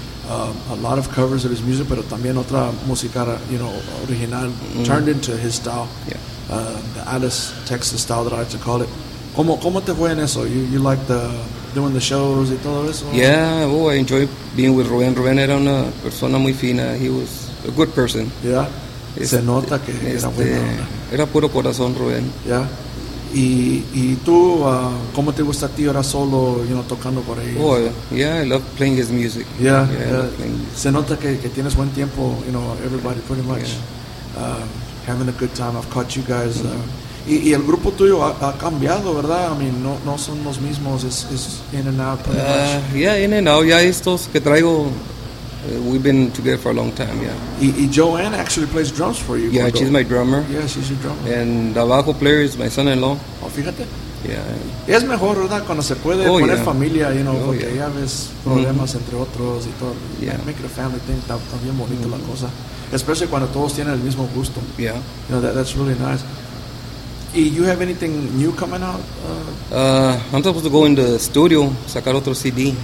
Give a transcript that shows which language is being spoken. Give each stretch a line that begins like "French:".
English: A lot of covers of his music,
Spanish: pero también otra música,
English: you know, original, turned into his style. Yeah. The Alice, Texas style that I like to call it.
Spanish: ¿Cómo te fue en eso?
English: You like the doing the shows
Spanish: y todo eso?
English: Yeah, I enjoy being with Rubén.
Spanish: Rubén era una persona muy fina.
English: He was a good person. Yeah.
Spanish: Se nota que era buena onda. Era puro corazón, Rubén.
English: Yeah.
Spanish: Y tú, ¿cómo te gusta a ti ahora solo, you know, tocando por ahí?
English: Oh, yeah, I love playing his music. Yeah.
Spanish: Se nota que tienes buen tiempo,
English: you know, everybody pretty much having a good time. I've caught you guys.
Spanish: Y el grupo tuyo ha cambiado, ¿verdad?
English: I mean,
Spanish: no son los mismos,
English: it's in and out pretty much. Yeah, in and out.
Spanish: Ya estos que traigo,
English: we've been together for a long time, yeah. Y Joanne actually plays drums for you. Yeah,
Spanish: Gordo.
English: She's my drummer. Yeah, she's your drummer. And the bajo player is my son-in-law.
Spanish: Oh, fíjate.
English: Yeah.
Spanish: Es mejor, ¿verdad? Cuando se puede poner familia, you know, porque ya ves problemas entre otros y todo.
English: Yeah. Make it a family thing.
Spanish: Está bien bonito la cosa. Especially cuando todos tienen el mismo gusto.
English: Yeah. You know, that's really nice. You have anything new coming out? I'm supposed to go in the studio,
Spanish: sacar otro CD.